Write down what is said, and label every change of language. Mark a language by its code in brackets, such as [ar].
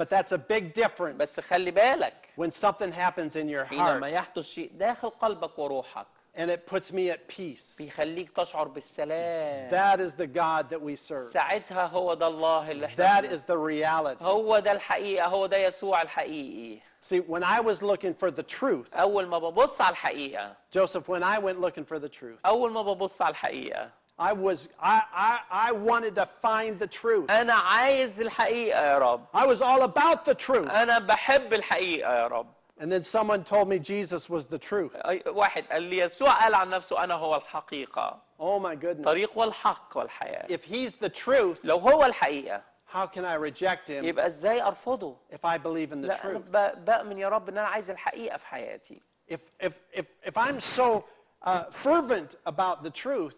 [en] But that's a big difference. [ar] بس خلي بالك. [en] When something happens in your heart. [ar] حينما يحدث شيء داخل قلبك وروحك. [en] And it puts me at peace. [ar] بيخليك تشعر بالسلام. [en] That is the God that we serve. [ar] ساعتها هو ده الله اللي احنا. [en] That is the reality. [ar] هو ده الحقيقة. هو ده يسوع الحقيقي. [en] See, when I was looking for the truth. [ar] أول ما ببص على الحقيقة. [en] Joseph, when I went looking for the truth. [ar] أول ما ببص على الحقيقة. [en] I wanted to find the truth. [ar] أنا عايز الحقيقة يا رب. [en] I was all about the truth. [ar] أنا بحب الحقيقة يا رب. [en] And then someone told me Jesus was the truth. [ar] واحد قال لي يسوع قال عن نفسه أنا هو الحقيقة. [en] Oh my goodness. [ar] طريق والحق والحياة. [en] If he's the truth. [ar] لو هو الحقيقة. [en] How can I reject him? [ar] يبقى إزاي أرفضه? [en] If I believe in the truth. [ar] لا أنا بأمن يا رب إن أنا عايز الحقيقة في حياتي. [en] If I'm so fervent about the truth.